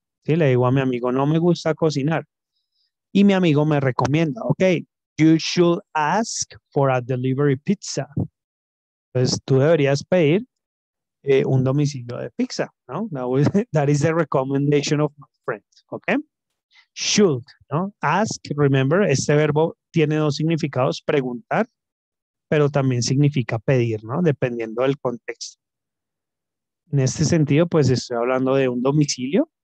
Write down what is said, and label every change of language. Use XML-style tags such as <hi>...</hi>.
<es>Sí, le digo a mi amigo, no me gusta cocinar. Y mi amigo me recomienda, ok,</es> <en>you should ask for a delivery pizza.</en> <es>Pues tú deberías pedir un domicilio de pizza, ¿no?</es> <en>That is the recommendation of my friend, ok. Should, ¿no?</en> <es>Ask, remember, este verbo tiene dos significados, preguntar, pero también significa pedir, ¿no? Dependiendo del contexto. En este sentido, pues estoy hablando de un domicilio.</es>